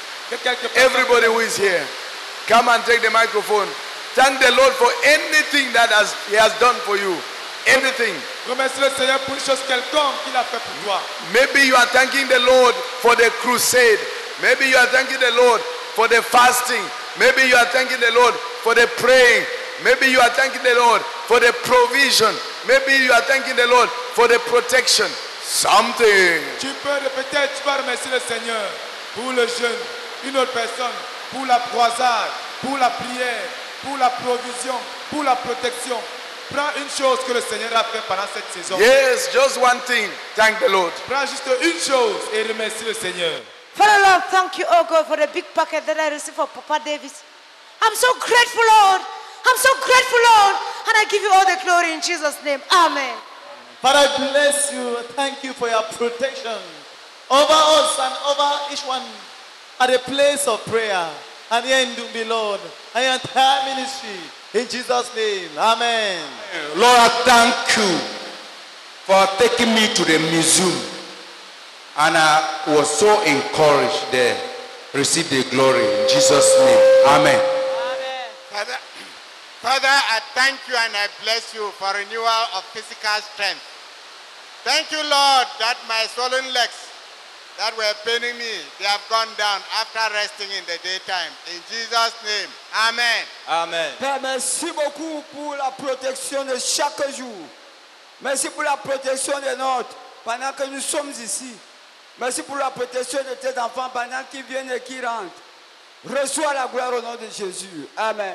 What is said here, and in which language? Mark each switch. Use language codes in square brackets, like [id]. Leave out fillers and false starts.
[en] Everybody who is here, come and take the microphone. Thank the Lord for anything that he has done for you. Anything. [fr] Remercie le Seigneur pour une chose quelconque qu'il a fait pour toi. [en] Maybe you are thanking the Lord for the crusade. Maybe you are thanking the Lord for the fasting. Maybe you are thanking the Lord for the praying. Maybe you are thanking the Lord for the provision. Maybe you are thanking the Lord for the protection. Something. [fr] Tu peux répéter, tu peux remercier le Seigneur pour le jeûne, une autre personne, pour la croisade, pour la prière, pour la provision, pour la protection. Prends une chose que le Seigneur a fait pendant cette saison. [en] Yes, just one thing. Thank the Lord. [fr] Prends juste une chose et remercie le Seigneur. [en] Father Lord, thank you, oh God, for the big packet that I received for Papa Davis. I'm so grateful, Lord. I'm so grateful, Lord. And I give you all the glory in Jesus' name. Amen. Father, I bless you. Thank you for your protection over us and over each one at a place of prayer. And here in Dumbi, Lord, and your entire ministry. In Jesus' name. Amen. Lord, I thank you for taking me to the museum. And I was so encouraged there. Receive the glory in Jesus' name. Amen. Amen. Father, I thank you and I bless you for renewal of physical strength. Thank you, Lord, that my swollen legs that were paining me, they have gone down after resting in the daytime. In Jesus' name. Amen. Amen. [fr] Père, merci beaucoup pour la protection de chaque jour. Merci pour la protection des nôtres pendant que nous sommes ici. Merci pour la protection de tes enfants pendant qu'ils viennent et qu'ils rentrent. Reçois la gloire au nom de Jésus. Amen.